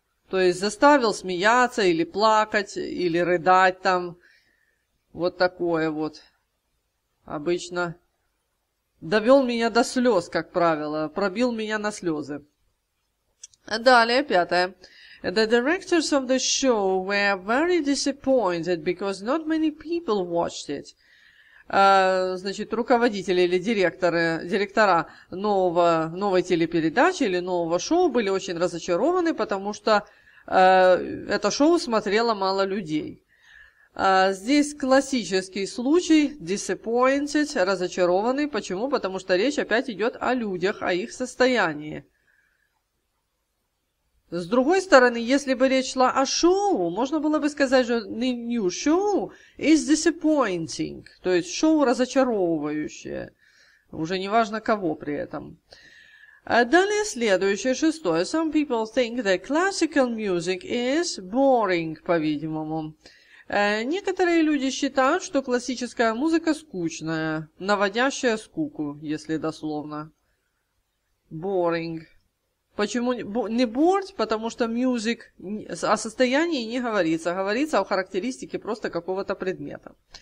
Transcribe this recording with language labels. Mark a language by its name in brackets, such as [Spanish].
[Russian] То есть, заставил смеяться или плакать, или рыдать там. Вот такое вот. Обычно довел меня до слез, как правило. Пробил меня на слезы. Далее, пятое. [English] The directors of the show were very disappointed because not many people watched it. [Russian] Значит, руководители или директора новой телепередачи или нового шоу были очень разочарованы, потому что это шоу смотрело мало людей. Здесь классический случай disappointed, разочарованный. Почему? Потому что речь опять идет о людях, о их состоянии. С другой стороны, если бы речь шла о шоу, можно было бы сказать, что [English] the new show is disappointing. [Russian] То есть шоу разочаровывающее. Уже не важно кого при этом. Далее следующее, шестое. [English] Some people think that classical music is boring, [Russian] по-видимому. Некоторые люди считают, что классическая музыка скучная, наводящая скуку, если дословно. Boring. Почему не bored? Потому что music о состоянии не говорится. Говорится о характеристике просто какого-то предмета.